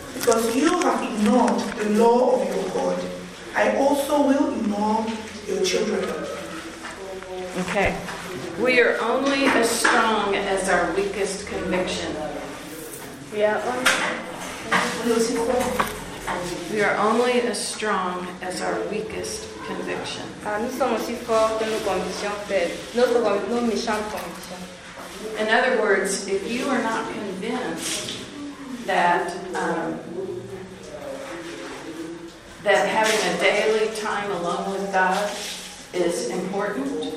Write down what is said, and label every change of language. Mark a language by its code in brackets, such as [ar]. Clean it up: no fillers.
[en] Because you have ignored the law of your God, I also will ignore your children. Okay. We are only as strong as our weakest conviction. We are only as strong as our weakest conviction. [fr] Nous sommes aussi forts que nos convictions faibles, nos méchantes convictions. [en] In other words, if you are not convinced that that having a daily time alone with God is important.